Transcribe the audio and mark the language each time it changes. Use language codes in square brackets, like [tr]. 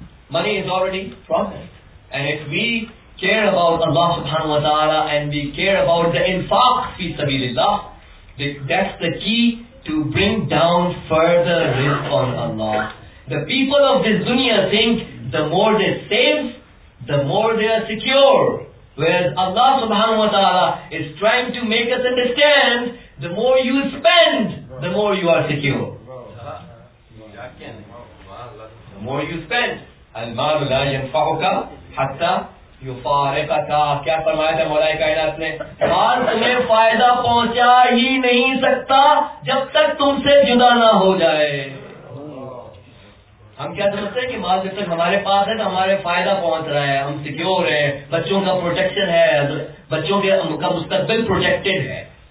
[en] Money is already promised. And if we care about Allah subhanahu wa ta'ala and we care about the infaq fi sabilillah, that's the key to bring down further risk on Allah. The people of this dunya think the more they save, the more they are secure. Whereas Allah subhanahu wa ta'ala is trying to make us understand, the more you spend, the more you are secure. The more you spend, [ar] المال لا ينفعك حتى يفارقك. [ur] کیا فرمایا تھا مولا کائنات نے, مال تمہیں فائدہ پہنچا ہی نہیں سکتا جب تک تم سے جدا نہ ہو جائے. ہم کیا سمجھتے ہیں کہ مال جب تک ہمارے پاس ہے تو ہمارے فائدہ پہنچ رہا ہے, ہم سیکیور ہیں, بچوں کا پروٹیکشن ہے, بچوں کا مستقبل پروٹیکٹڈ ہے.